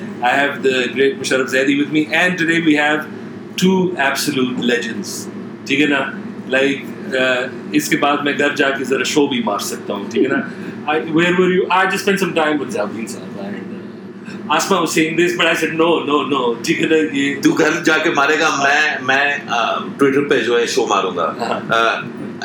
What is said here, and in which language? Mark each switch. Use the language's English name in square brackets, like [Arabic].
[English] I have the great Musharraf Zaidi with me, and today we have two absolute legends. [Hindi] ठीक है ना? Like इसके बाद मैं घर जाके जरा शो भी मार सकता हूँ, ठीक है ना? [English] Where were you? I just spent some time with Zabin Sahab. Asma was saying this, but I said no. [Hindi] ठीक है ना ये? तू घर जाके मारेगा, मैं Twitter पे जो है शो मारूंगा.